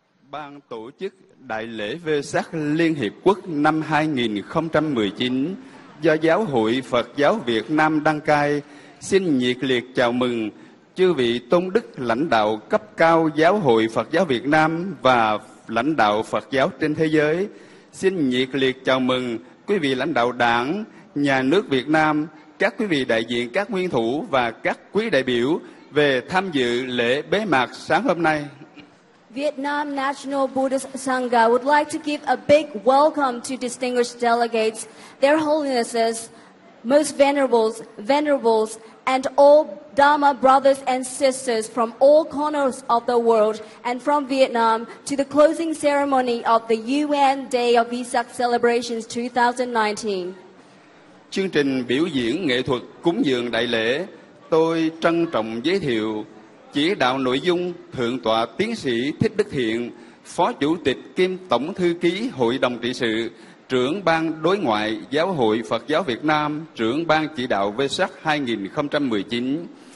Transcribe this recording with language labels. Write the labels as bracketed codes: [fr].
[vi] Ban tổ chức Đại lễ Vê-sắc Liên Hiệp Quốc năm 2019 do Giáo hội Phật giáo Việt Nam đăng cai, xin nhiệt liệt chào mừng chư vị tôn đức lãnh đạo cấp cao Giáo hội Phật giáo Việt Nam và lãnh đạo Phật giáo trên thế giới. Xin nhiệt liệt chào mừng quý vị lãnh đạo Đảng, Nhà nước Việt Nam, các quý vị đại diện các nguyên thủ và các quý đại biểu về tham dự lễ bế mạc sáng hôm nay. [en] Vietnam National Buddhist Sangha would like to give a big welcome to distinguished delegates, their holinesses, most venerables, and all Dharma brothers and sisters from all corners of the world and from Vietnam to the closing ceremony of the UN Day of Vesak Celebrations 2019. [vi] Chương trình biểu diễn nghệ thuật cúng dường đại lễ, tôi trân trọng giới thiệu chỉ đạo nội dung Thượng tọa Tiến sĩ Thích Đức Thiện, Phó Chủ tịch kiêm Tổng Thư ký Hội đồng Trị sự, Trưởng Ban Đối ngoại Giáo hội Phật giáo Việt Nam, Trưởng Ban Chỉ đạo Vê-sắc 2019.